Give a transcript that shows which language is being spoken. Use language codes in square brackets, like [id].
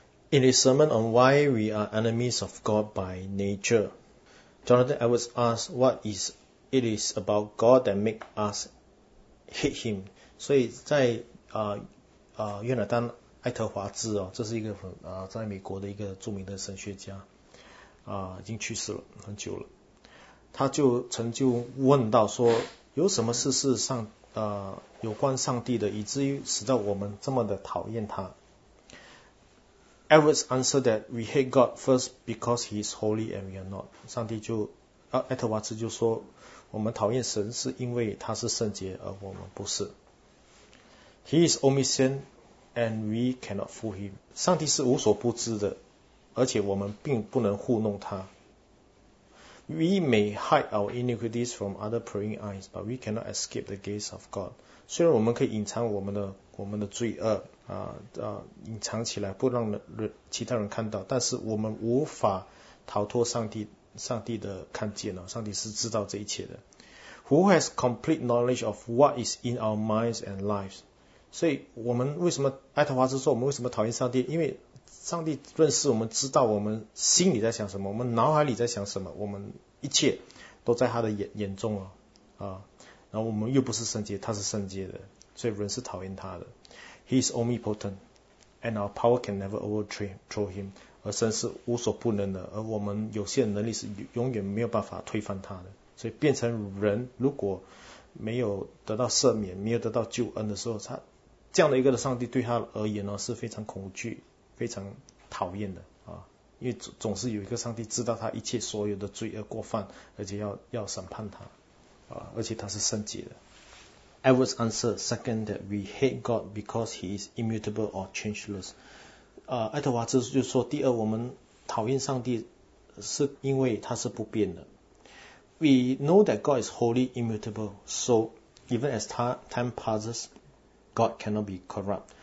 [en] In his sermon on why we are enemies of God by nature, Jonathan Edwards asked, "What is it is about God that make us hate Him?" [zh] 所以在约拿丹。爱德华兹哦，这是一个在美国的一个著名的神学家，已经去世了很久了。他就曾就问到说，有什么事是上有关上帝的，以至于使得我们这么的讨厌他 ？ [en] Edwards answered that we hate God first because He is holy and we are not。 [zh] 上帝就爱德华兹就说，我们讨厌神是因为他是圣洁，而我们不是。 [en] He is omniscient。 And we cannot fool him. [zh] 上帝是无所不知的，而且我们并不能糊弄他。 [en] We may hide our iniquities from other praying eyes, but we cannot escape the gaze of God. [zh] 虽然我们可以隐藏我们的罪恶隐藏起来，不让其他人看到，但是我们无法逃脱上帝的看见了。上帝是知道这一切的。 [en] Who has complete knowledge of what is in our minds and lives? [zh] 所以我们为什么爱德华兹说我们为什么讨厌上帝，因为上帝认识我们，知道我们心里在想什么，我们脑海里在想什么，我们一切都在他的眼中哦，然后我们又不是圣洁，他是圣洁的，所以人是讨厌他的。 [en] He is omnipotent and our power can never overthrow him， [zh] 而神是无所不能的，而我们有限的能力是永远没有办法推翻他的。所以变成人如果没有得到赦免，没有得到救恩的时候，他这样的一个的上帝对他而言呢是非常恐惧、非常讨厌的啊，因为总是有一个上帝知道他一切所有的罪恶过犯，而且要审判他啊，而且他是圣洁的。 [en] Edwards answer second that we hate God because He is immutable or changeless。 [zh] 爱德华兹就说，第二，我们讨厌上帝是因为他是不变的。 [en] We know that God is wholly immutable, so even as time passes, God cannot be corrupt.